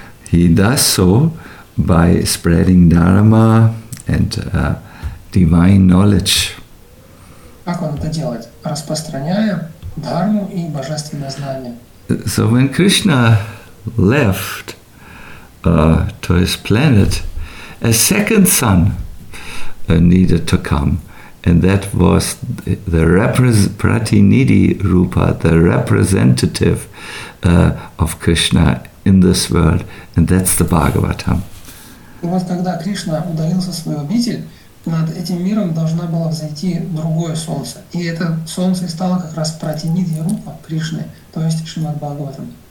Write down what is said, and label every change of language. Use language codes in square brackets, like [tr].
[en] He does so by spreading dharma and divine knowledge. [ru] Как он это делает? Распространяя дхарму и божественное знание. [en] So when Krishna left to his planet, a second sun needed to come. And that was Pratinidhi Rupa, the representative of Krishna in this world. And that's the Bhagavatam. [ru] И вот когда Кришна удалился в свою обитель, над этим миром должна была взойти другое солнце. И это солнце стало как раз Пратинидхи Рупа Кришны, то есть Шримад Бхагаватам.